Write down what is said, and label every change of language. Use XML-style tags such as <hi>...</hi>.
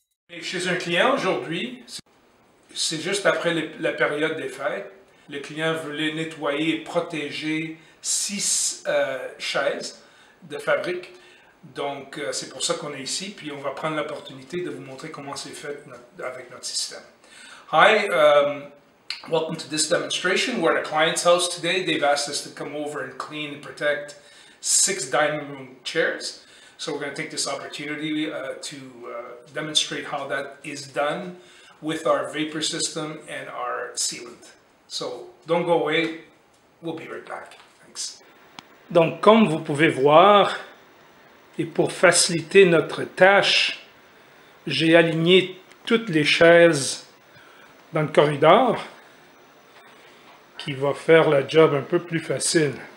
<fr>Et chez un client aujourd'hui, c'est juste après la période des fêtes. Le client voulait nettoyer et protéger 6 chaises de fabrique. Donc, c'est pour ça qu'on est ici. Puis, on va prendre l'opportunité de vous montrer comment c'est fait avec notre système.</fr> <en>Hi, welcome to this demonstration. We're at a client's house today. They've asked us to come over and clean and protect 6 dining room chairs. So we're going to take this opportunity to demonstrate how that is done with our vapor system and our sealant. So don't go away. We'll be right back. Thanks.</en> <fr>Donc, comme vous pouvez voir, et pour faciliter notre tâche, j'ai aligné toutes les chaises dans le corridor qui va faire la job un peu plus facile.</fr>